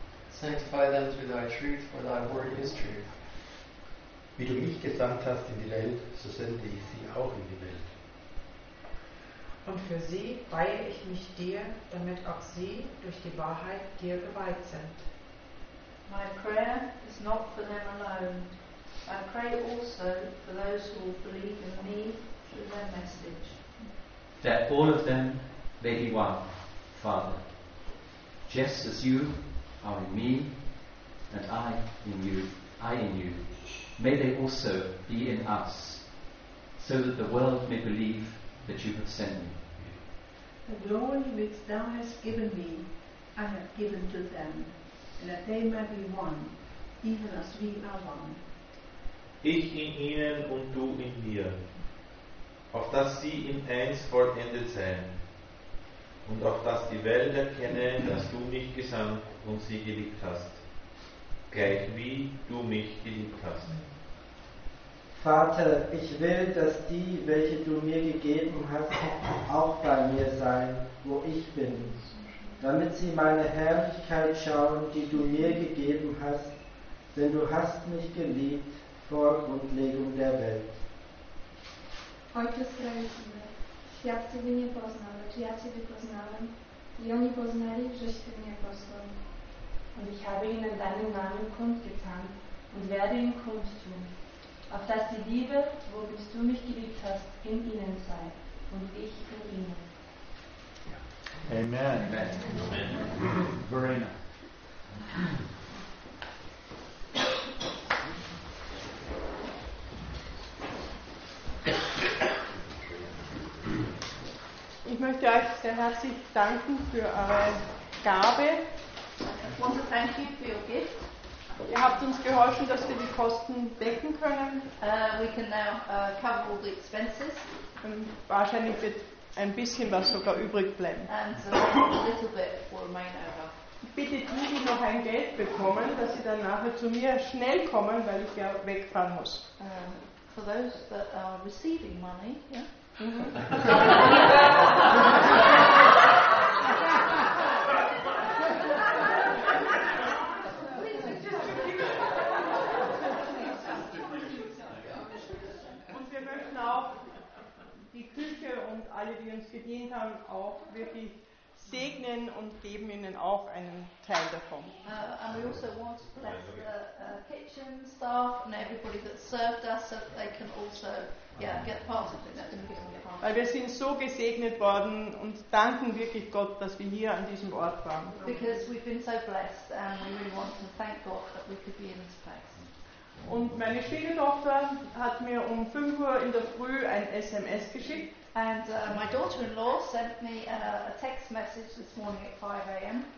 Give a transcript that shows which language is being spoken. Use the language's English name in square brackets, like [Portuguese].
[English] Sanctify them through thy truth, for thy word is truth. [German] Wie du mich gesandt hast in die Welt, so sende ich sie auch in die Welt. Und für sie weihe ich mich dir, damit auch sie durch die Wahrheit dir geweiht sind. [English] My prayer is not for them alone. I pray also for those who will believe in me through their message. That all of them may be one, Father, just as you are in me, and I in you. May they also be in us, so that the world may believe that you have sent me. The glory which thou hast given me, I have given to them, and that they may be one, even as we are one. [German] Ich in ihnen und du in mir, auf dass sie in eins vollendet seien, und auf dass die Welt erkenne, dass du mich gesandt und sie geliebt hast, gleich wie du mich geliebt hast. Vater, ich will, dass die, welche du mir gegeben hast, auch bei mir seien, wo ich bin, damit sie meine Herrlichkeit schauen, die du mir gegeben hast, denn du hast mich geliebt vor Grundlegung der Welt. [Polish] Ojcze Sprawiedliwy, świat Ciebie nie poznał, lecz ja Ciebie poznałem i oni poznali, żeś Ty mnie posłał. [German] Und ich habe ihnen deinen Namen kundgetan und werde ihn kundtun, auf dass die Liebe, womit du mich geliebt hast, in ihnen sei. und ich für ihn. Amen. Amen. Verena. Ich möchte euch sehr herzlich danken für eure Gabe. [English] I want to thank you for your gift. [German] Ihr habt uns geholfen, dass wir die Kosten decken können. [English] We can now cover all the expenses. [German] Und wahrscheinlich wird ein bisschen was sogar übrig bleiben. [English] And so a little bit will remain over. [German] Bitte tun Sie noch ein Geld bekommen, dass Sie dann nachher zu mir schnell kommen, weil ich ja wegfahren muss. [English] For those that are receiving money, yeah. [German] Und wir möchten auch die Küche und alle, die uns gedient haben, auch wirklich segnen und geben ihnen auch einen Teil davon. [English] And we also want to bless the kitchen staff and everybody that served us, so they can also get part of it. [German] Weil wir sind so gesegnet worden und danken wirklich Gott, dass wir hier an diesem Ort waren. [English] Because we've been so blessed and we really want to thank God that we could be in this place. [German] Und meine Schwiegertochter hat mir um 5 Uhr in der Früh ein SMS geschickt. [English] And my daughter-in-law sent me a text message this morning at 5 a.m.